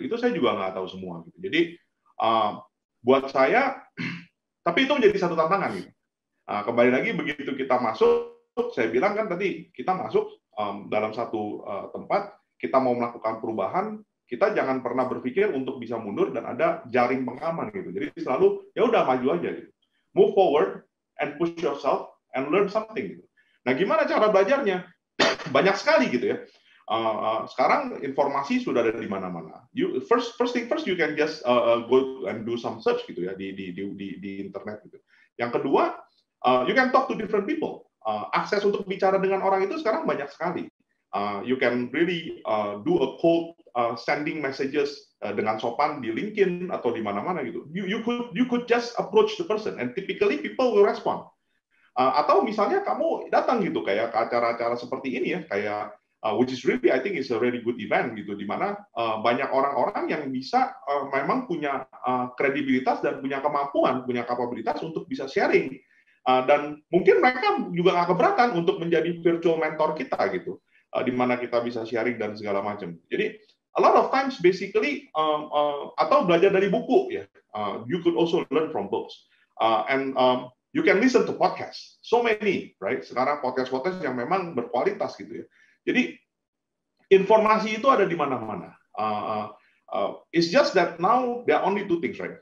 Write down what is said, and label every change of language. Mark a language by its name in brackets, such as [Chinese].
[Indonesian] Itu saya juga nggak tahu semua. Gitu. Jadi buat saya, tapi itu menjadi satu tantangan. Gitu. Kembali lagi, begitu kita masuk, saya bilang kan tadi, kita masuk dalam satu tempat, kita mau melakukan perubahan, kita jangan pernah berpikir untuk bisa mundur dan ada jaring pengaman. Gitu. Jadi selalu, ya udah maju aja. Gitu. [English] Move forward and push yourself and learn something. [Indonesian] Gitu. Nah, gimana cara belajarnya? Banyak sekali gitu ya. Sekarang informasi sudah ada di mana-mana. [English] First thing first, you can just go and do some search [Indonesian] gitu ya di internet gitu. Yang kedua, [English] you can talk to different people. [Indonesian] Akses untuk bicara dengan orang itu sekarang banyak sekali. [English] You can really do a cold sending messages [Indonesian] dengan sopan di LinkedIn atau di mana-mana gitu. [English] You could just approach the person and typically people will respond. [Indonesian] Atau misalnya kamu datang gitu kayak ke acara-acara seperti ini ya, kayak [English] which is really I think is a really good event [Indonesian] gitu, di mana banyak orang-orang yang bisa memang punya kredibilitas dan punya kemampuan, punya kapabilitas untuk bisa sharing, dan mungkin mereka juga nggak keberatan untuk menjadi virtual mentor kita gitu, di mana kita bisa sharing dan segala macam. [English] Jadi a lot of times basically [Indonesian] atau belajar dari buku ya, [English] you could also learn from books, you can listen to podcast, so many, right? [Indonesian] Sekarang podcast-podcast yang memang berkualitas gitu ya. Jadi informasi itu ada di mana-mana. [English] It's just that now there are only two things, right?